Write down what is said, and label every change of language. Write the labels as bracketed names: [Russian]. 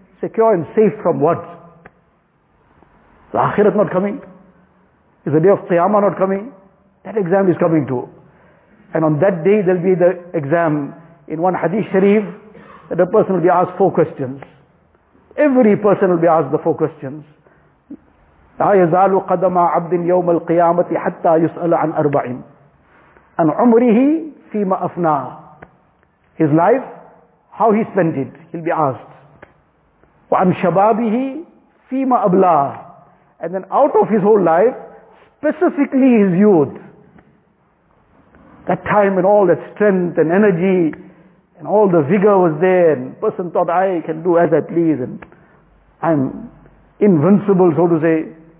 [English] Secure and safe from what? Is the akhirat not coming? Is the day of qiyamah not coming? That exam is coming too. And on that day there will be the exam. In one hadith sharif, that a person will be asked four questions. Every person will be asked the four questions. [Arabic] لا يزال قدم عبد يوم القيامة حتى يسأل عن أربع عن عمره فيما أفنى. [English] His life, how he spent it, he'll be asked. [Arabic] وعن شبابه فيما أبلى. [English] And then out of his whole life, specifically his youth, that time and all that strength and energy and all the vigor was there, and person thought, I can do as I please and I'm invincible, so to say.